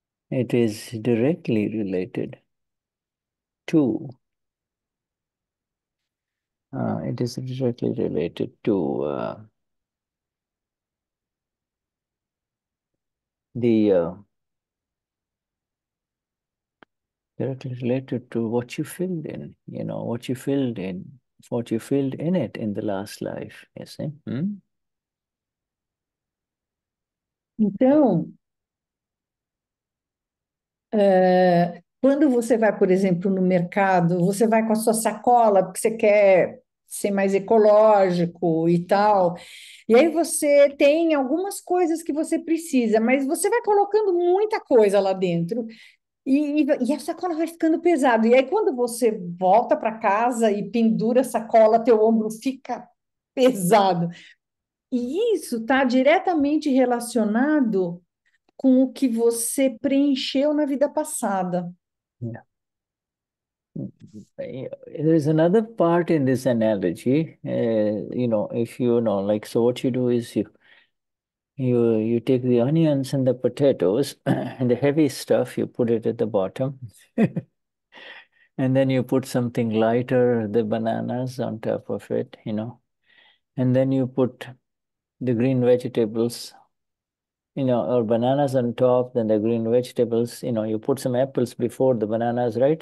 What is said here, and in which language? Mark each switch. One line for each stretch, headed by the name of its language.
English: It is directly related to, it is directly related to the, directly related to what you filled in, you know, what you filled in, what you filled in it in the last life, you see?
Portuguese: Então, quando você vai, por exemplo, no mercado, você vai com a sua sacola porque você quer ser mais ecológico e tal. E aí você tem algumas coisas que você precisa, mas você vai colocando muita coisa lá dentro. E a sacola vai ficando pesada. E aí, quando você volta para casa e pendura a sacola, teu ombro fica pesado. E isso está diretamente relacionado com o que você preencheu na vida passada.
English: There is another part in this analogy, you know, if you know, like, so what you do is you take the onions and the potatoes and the heavy stuff, you put it at the bottom and then you put something lighter, the bananas on top of it, you know, and then you put the green vegetables, you know, or bananas on top, then the green vegetables, you know, you put some apples before the bananas, right?